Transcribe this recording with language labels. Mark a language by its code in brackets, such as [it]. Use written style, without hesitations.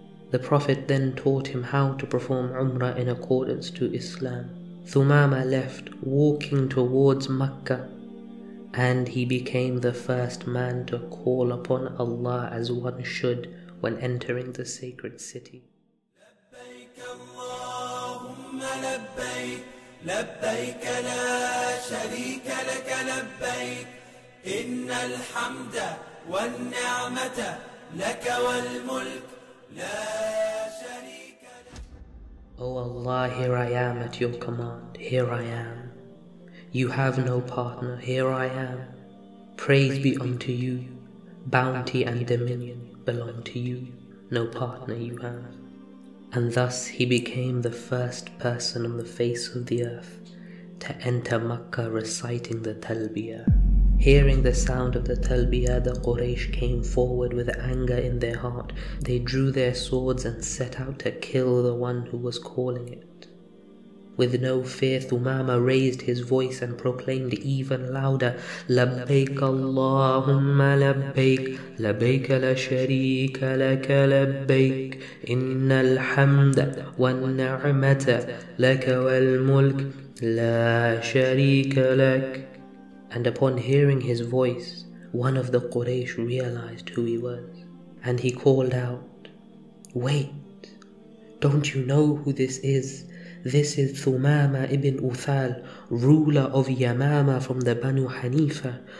[en] The Prophet then taught him how to perform Umrah in accordance to Islam. Thumama left, walking towards Makkah, and he became the first man to call upon Allah as one should when entering the sacred city. [ar] لبيك اللهم لبيك لبيك لا شريك لك لبيك إن الحمد والنعمة لك والملك لا شريك لك. [en] Oh Allah, here I am at your command, here I am. You have no partner, here I am. Praise be unto you, bounty and dominion belong to you, no partner you have. And thus he became the first person on the face of the earth to enter Makkah reciting the Talbiyah. Hearing the sound of the Talbiyah, the Quraysh came forward with anger in their heart. They drew their swords and set out to kill the one who was calling it. With no fear, Thumama raised his voice and proclaimed even louder, [ar] لبيك اللهم لبيك لبيك لا شريك لك لبيك إن الحمد والنعمة لك والملك لا شريك لك. [en] And upon hearing his voice, one of the Quraysh realized who he was and he called out, wait, don't you know who this is? This is Thumama ibn Uthal, ruler of Yamama from the Banu Hanifa.